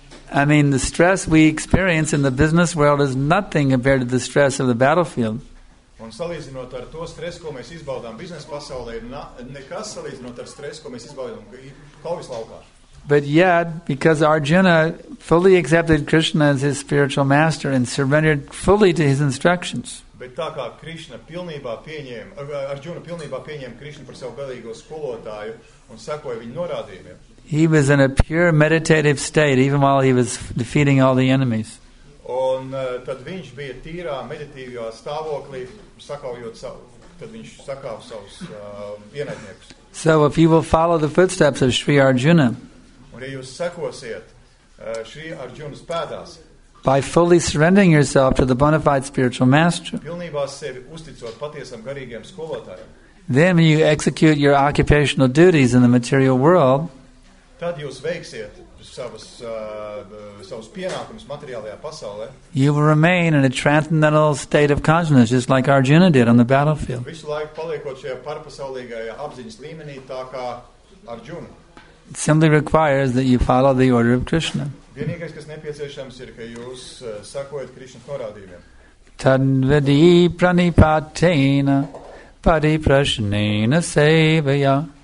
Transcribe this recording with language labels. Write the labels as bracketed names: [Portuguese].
[English] I mean, the stress we experience in the business world is nothing compared to the stress of the battlefield. [Latvian] Un salīdzinot ar to stresu, ko mēs izbaudām biznesa pasaulē, nekas salīdzinot ar stresu, ko mēs izbaudām kaujas laukā. [English] But yet, because Arjuna fully accepted Krishna as his spiritual master and surrendered fully to his instructions. [Latvian] Bet tā kā Arjuna pilnībā pieņēma Krishna par savu galīgo skolotāju un sekoja viņu norādījumiem. [English] He was in a pure meditative state even while he was defeating all the enemies. [Latvian] Un tad viņš bija tīrā meditīvajā stāvoklī, sakaujot savu, tad viņš sakāva savus ienaidniekus. [English] So if you will follow the footsteps of Sri Arjuna, [Latvian] un ja jūs sekosiet Sri Arjunas pēdās, [English] by fully surrendering yourself to the bona fide spiritual master, [Latvian] pilnībā sevi uzticot patiesam garīgiem skolotājiem, [English] then when you execute your occupational duties in the material world, [Latvian] tad jūs veiksiet savus pienākumus materiālajā pasaulē. [English] You will remain in a transcendental state of consciousness, just like Arjuna did on the battlefield. [Latvian] Visu laiku paliekot šajā pārpasaulīgajā apziņas līmenī, tā kā Arjuna. [English] It simply requires that you follow the order of Krishna. [Latvian] Vienīgais, kas nepieciešams, ir, ka jūs sakojat Krishna norādījumiem. [Sanskrit] Tadvedī pranipatena parīprašanīna sevajā